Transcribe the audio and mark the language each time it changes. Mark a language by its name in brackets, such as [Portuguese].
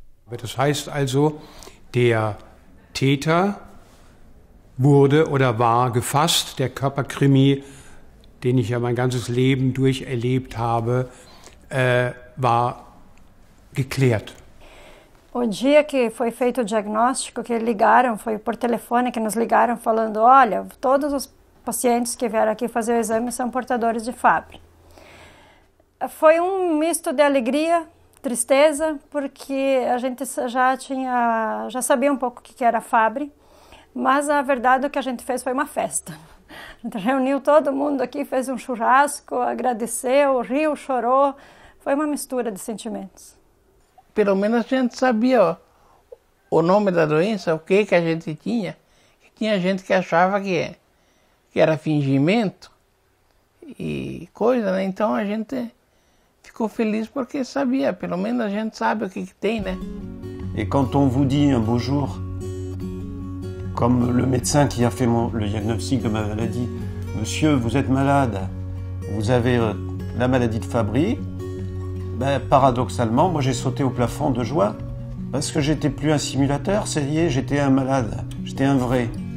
[German] Das heißt also, der Täter wurde oder war gefasst, der Körperkrimi, den ich ja mein ganzes Leben durcherlebt habe, war geklärt. [Portuguese] O dia que foi feito o diagnóstico, que ligaram, foi por telefone que nos ligaram falando, olha, todos os pacientes que vieram aqui fazer o exame são portadores de Fabry. Foi misto de alegria, tristeza, porque a gente já sabia um pouco o que era Fabry, mas a verdade é que a gente fez foi uma festa. A gente reuniu todo mundo aqui, fez um churrasco, agradeceu, riu, chorou, foi uma mistura de sentimentos. Pelo menos a gente sabia o nome da doença, o que a gente tinha. Tinha gente que achava que era fingimento e coisa, né? Então a gente ficou feliz porque sabia, pelo menos a gente sabe o que tem, né? E quando [French] on vous dit un beau jour, comme le médecin qui a fait le diagnostic de ma maladie me monsieur, vous êtes malade, vous avez la maladie de Fabry, ben, paradoxalement, moi j'ai sauté au plafond de joie, parce que j'étais plus un simulateur, ça y est, j'étais un malade, j'étais un vrai.